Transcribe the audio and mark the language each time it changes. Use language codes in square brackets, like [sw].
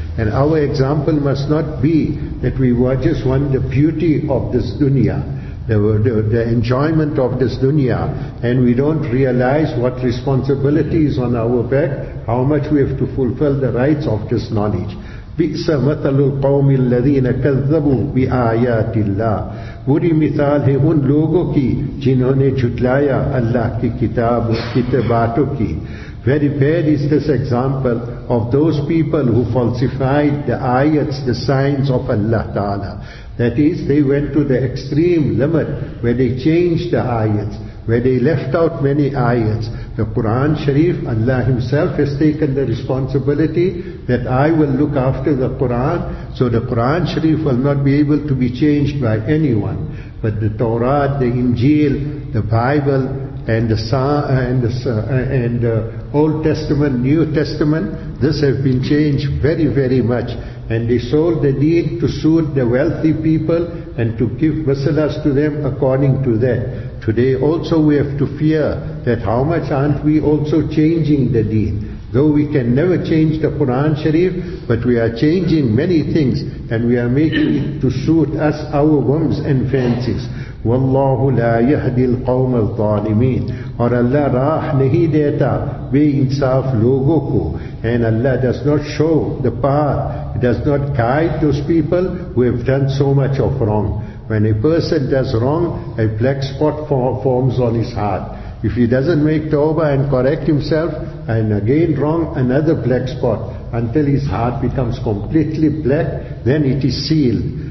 [en] And our example must not be that we just want the beauty of this dunya, the enjoyment of this dunya, and we don't realize what responsibility is on our back, how much we have to fulfill the rights of this knowledge. [ar] بِئْسَ مَثَلُ الْقَوْمِ الَّذِينَ كَذَّبُوا بِآيَاتِ اللَّهِ [ur] بُرِي مِثَال ہے ان لوگوں کی جنہوں نے جھٹلایا اللہ کی کتاب و کتباتوں کی. [en] Very bad is this example of those people who falsified the ayats, the signs of Allah Ta'ala. That is, they went to the extreme limit where they changed the ayats, where they left out many ayats. The Quran Sharif, Allah Himself has taken the responsibility that I will look after the Quran, so the Quran Sharif will not be able to be changed by anyone. But the Torah, the Injil, the Bible, and the Old Testament, New Testament, this have been changed very, very much. And they sold the deed to suit the wealthy people and to give masalas to them according to that. Today also we have to fear that how much aren't we also changing the deen. Though we can never change the Quran Sharif, but we are changing many things and we are making it to suit us, our whims and fancies. [ar] وَاللَّهُ لَا يَهْدِي الْقَوْمَ الظَّالِمِينَ. [ur] اور اللہ راہ نہیں دیتا بے انصاف لوگوں کو. [en] And Allah does not show the path, does not guide those people who have done so much of wrong. When a person does wrong, a black spot forms on his heart. If he doesn't make tawbah and correct himself, and again wrong, another black spot, until his heart becomes completely black, then it is sealed.